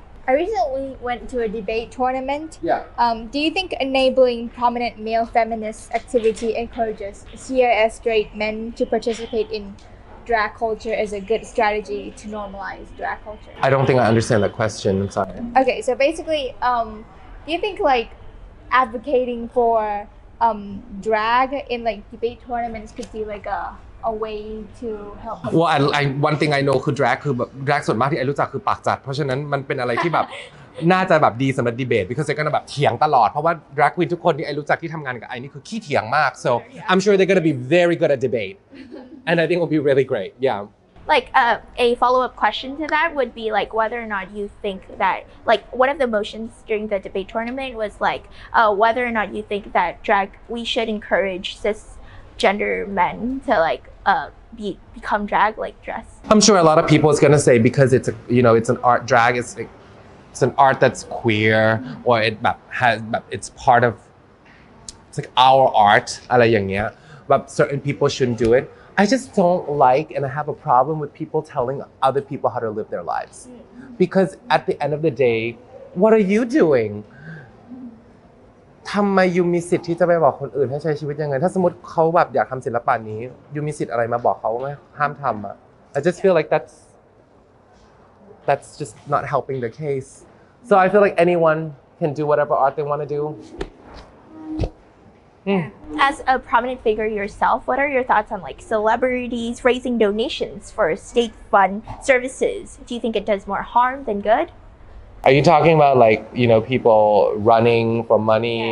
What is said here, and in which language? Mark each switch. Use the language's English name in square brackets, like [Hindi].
[English] I recently went to a debate tournament do you think enabling prominent male feminist activity encourages CIS straight men to participate inDrag culture is a good strategy to normalize drag culture. I don't think I understand that question. I'm sorry. Okay, so basically, do you think like advocating for drag in like debate tournaments could be like a way to help? Well, I one thing I know [Thai] คือ drag คือแบบ drag ส่วนมากที่ไอ้รู้จักคือปากจัดเพราะฉะนั้นมันเป็นอะไรที่แบบน่าจะแบบดีสำหรับดีเบต [English] because they're gonna [Thai] แบบเถียงตลอดเพราะว่า drag queen ทุกคนที่ไอ้รู้จักที่ทำงานกับไอ้นี่คือขี้เถียงมาก [English] so I'm sure they're gonna be very good at debate and I think it'll be really great yeah like a follow up question to that would be like whether or not you think that like one of the motions during the debate tournament was like whether or not you think that drag we should encourage cisgender men to like become drag like dress I'm sure a lot of people is gonna say because it's a, you know it's an art drag is like,it's an art that's queer or it has it's part of It's like our art, [Thai] อะไรอย่างเงี้ย [English] but certain people shouldn't do it. I just don't like and I have a problem with people telling other people how to live their lives. Because at the end of the day, what are you doing? [Thai] ทำไมยูมีสิทธิ์ที่จะไปบอกคนอื่นให้ใช้ชีวิตยังไงถ้าสมมติเขาแบบอยากทำศิลปะนี้ยูมีสิทธิ์อะไรมาบอกเขาไหมห้ามทำอ่ะ [English] I just feel like that's just not helping the case. So I feel like anyone can do whatever art they want to do. As a prominent figure yourself, what are your thoughts on like celebrities raising donations for state fund services? Do you think it does more harm than good? Are you talking about like, you know, people running for money